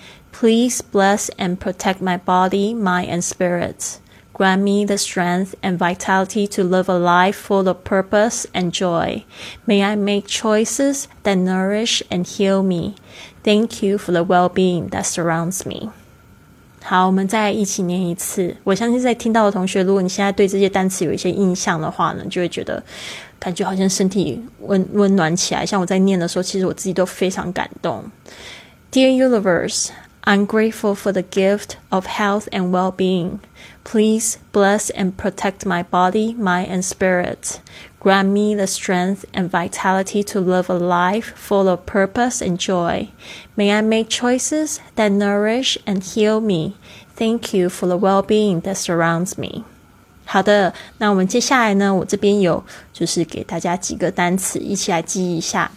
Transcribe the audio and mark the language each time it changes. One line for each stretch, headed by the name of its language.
English: Please bless and protect my body, mind, and spirit. Grant me the strength and vitality to live a life full of purpose and joy. May I make choices that nourish and heal me. Thank you for the well-being that surrounds me.
Chinese: 好，我们再一起念一次。我相信在听到的同学，如果你现在对这些单词有一些印象的话呢，就会觉得感觉好像身体温暖起来。像我在念的时候，其实我自己都非常感动。
English: Dear Universe, I'm grateful for the gift of health and well-being. Please bless and protect my body, mind and spirit. Grant me the strength and vitality to live a life full of purpose and joy. May I make choices that nourish and heal me. Thank you for the well-being that surrounds me.
Chinese: 好的，那我们接下来呢，我这边有就是给大家几个单词一起来记一下。